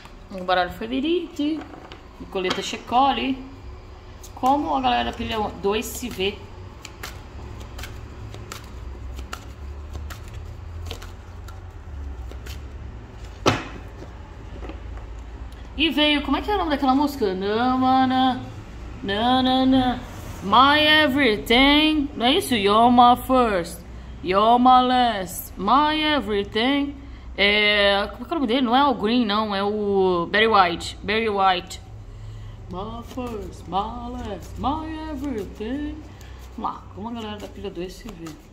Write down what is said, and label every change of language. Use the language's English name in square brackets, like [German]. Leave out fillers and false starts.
[Portuguese] O baralho favorito. E coleta checole. Como a galera pilha 2 se vê? E veio, como é que é o nome daquela música? Namana, nanana, [English] my everything. [Portuguese] Não é isso? [English] You're my first, you're my last, my everything. [Portuguese] É, como é que é o nome dele? Não é o Green, não. É o Barry White. Barry White. [English] My first, my last, my everything. [Portuguese] Vamos lá, como a galera da pilha 2 se vê?